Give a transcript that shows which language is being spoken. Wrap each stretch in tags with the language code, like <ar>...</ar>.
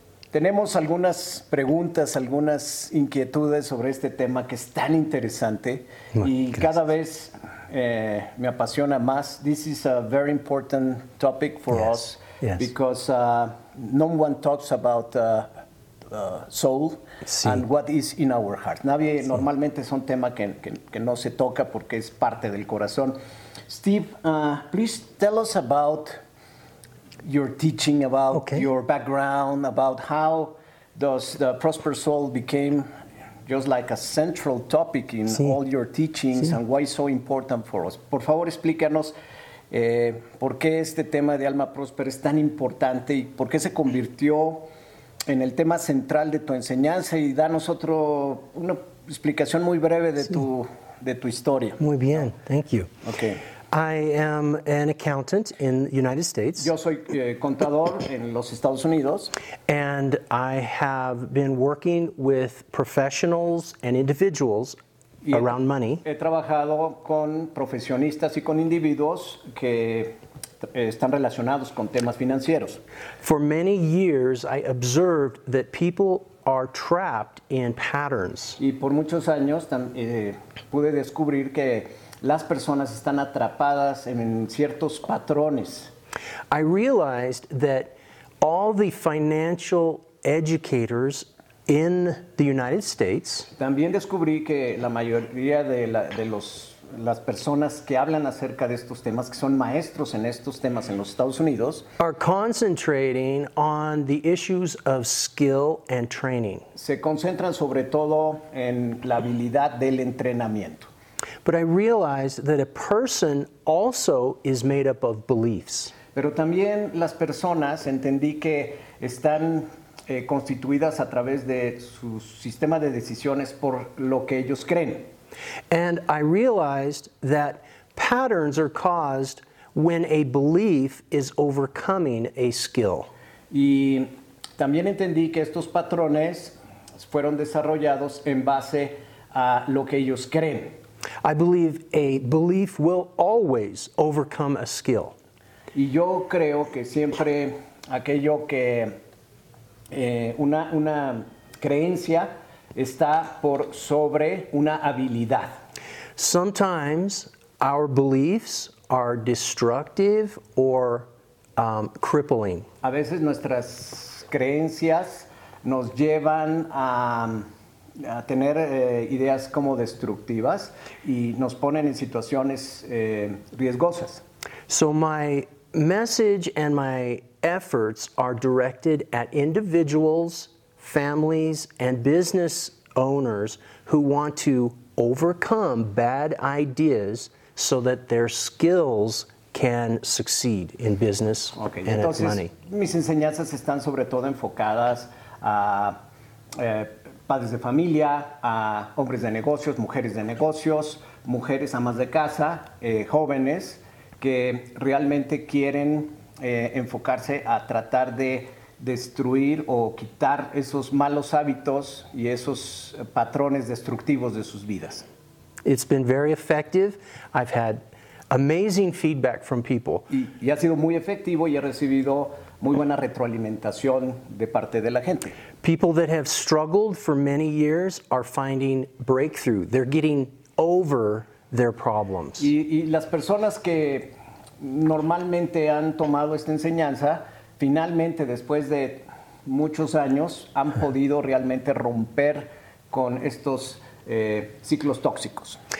<es>Tenemos algunas preguntas, algunas inquietudes sobre este tema que es tan interesante y cada vez me apasiona más.</es> <en>This is a very important topic for us because no one talks about soul and what is in our heart.</en> <es>Nadie normalmente es un tema que no se toca porque es parte del corazón.</es> <en>Steve, please tell us about your teaching, about your background, about how does the Prosper Soul became just like a central topic in all your teachings and why it's so important for us.</en> <es>Por favor, explícanos por qué este tema de Alma Próspera es tan importante y por qué se convirtió en el tema central de tu enseñanza y danos otro, una explicación muy breve de tu historia. Muy bien,</es> <en>thank you. Okay. I am an accountant in the United States.</en> <es>Yo soy contador en los Estados Unidos.</es> <en>And I have been working with professionals and individuals around money.</en> <es>He trabajado con profesionistas y con individuos que están relacionados con temas financieros.</es> <en>For many years, I observed that people are trapped in patterns.</en> <es>Y por muchos años pude descubrir que las personas están atrapadas en ciertos patrones.</es> <en>I realized that all the financial educators in the United States,</en> <es>también descubrí que la mayoría de las personas que hablan acerca de estos temas, que son maestros en estos temas en los Estados Unidos,</es> <en>are concentrating on the issues of skill and training.</en> <es>Se concentran sobre todo en la habilidad del entrenamiento.</es> <en>But I realized that a person also is made up of beliefs.</en> <es>Pero también las personas entendí que están constituidas a través de su sistema de decisiones por lo que ellos creen.</es> <en>And I realized that patterns are caused when a belief is overcoming a skill.</en> <es>Y también entendí que estos patrones fueron desarrollados en base a lo que ellos creen.</es> <en>I believe a belief will always overcome a skill.</en> <es>Y yo creo que siempre aquello que una creencia está por sobre una habilidad.</es> <en>Sometimes our beliefs are destructive or crippling.</en> <es>A veces nuestras creencias nos llevan a tener ideas como destructivas y nos ponen en situaciones riesgosas.</es> <en>So my message and my efforts are directed at individuals, families, and business owners who want to overcome bad ideas so that their skills can succeed in business and</en> <es>entonces,</es> <en>at money.</en> <es>Mis enseñanzas están sobre todo enfocadas a padres de familia, a hombres de negocios, mujeres de negocios, mujeres amas de casa, jóvenes que realmente quieren enfocarse a tratar de destruir o quitar esos malos hábitos y esos patrones destructivos de sus vidas.</es> <en>It's been very effective. I've had amazing feedback from people.</en> <es>Y ha sido muy efectivo y ha recibido muy buena retroalimentación de parte de la gente.</es> <en>People that have struggled for many years are finding breakthrough. They're getting over their problems.</en> <es>Y las personas que normalmente han tomado esta enseñanza, finalmente después de muchos años han podido realmente romper con estos ciclos tóxicos.</es>